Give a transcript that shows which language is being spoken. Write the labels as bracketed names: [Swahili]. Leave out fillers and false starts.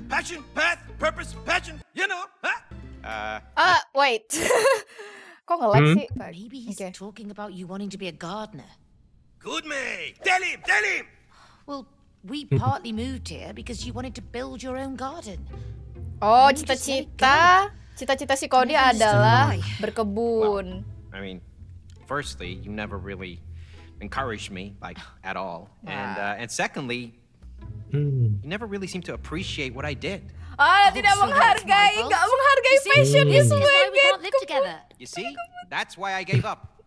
[English] Passion, path, purpose, passion. You know, huh? [Indonesian] Wait. Kok nge-lag sih? [English] Maybe he's okay. Talking about you wanting to be a gardener. Good me. Tell him. Well, we partly moved here because you wanted to build your own garden. [Indonesian] Oh, cita-cita. Cita-cita si Cody adalah berkebun. [English] Well, I mean, firstly, you never really encouraged me like at all. Wow. And secondly, you never really seemed to appreciate what I did. [Indonesian] Ah, oh, tidak menghargai, enggak menghargai [English] passion is wicked. You see? That's why I gave up.